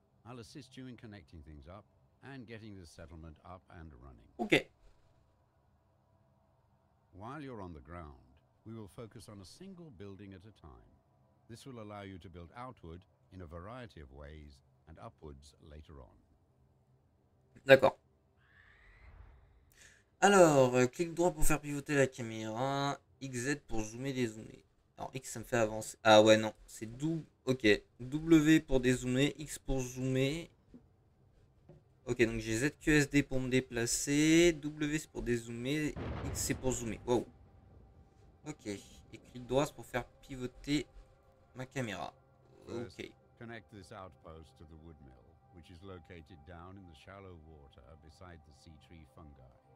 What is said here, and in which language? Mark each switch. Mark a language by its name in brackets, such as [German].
[English] I'll assist you in connecting things up and getting the settlement up and running. Ok. While you're on the ground, we will focus on a single building at a time. This will allow you to build outward in a variety of ways and upwards later on. [French] D'accord. Alors, clic droit pour faire pivoter la caméra. XZ pour zoomer, dézoomer. Alors, X, ça me fait avancer. Ah ouais, non. C'est double. Ok. W pour dézoomer. X pour zoomer. Ok, donc j'ai ZQSD pour me déplacer. W, c'est pour dézoomer. X, c'est pour zoomer. Wow. Ok. Et clic droit, c'est pour faire pivoter ma caméra. [English] Ok. Connect this outpost to the woodmill. Which is located down in the shallow water beside the sea tree fungi.